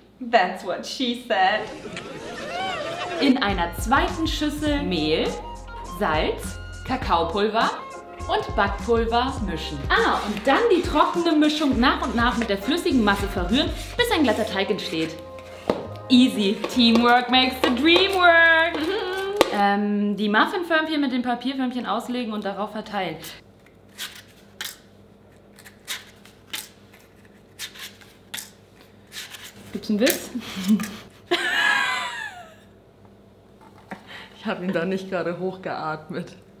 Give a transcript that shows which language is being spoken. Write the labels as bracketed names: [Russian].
[English] That's what she said. [German] In einer zweiten Schüssel Mehl, Salz, Kakaopulver und Backpulver mischen. Ah, und dann die trockene Mischung nach und nach mit der flüssigen Masse verrühren, bis ein glatter Teig entsteht. [English] Easy. Teamwork makes the dream work. [German] Die Muffinförmchen mit den Papierförmchen auslegen und darauf verteilen. Gibt's einen Witz? Ich habe ihn da nicht gerade hochgeatmet.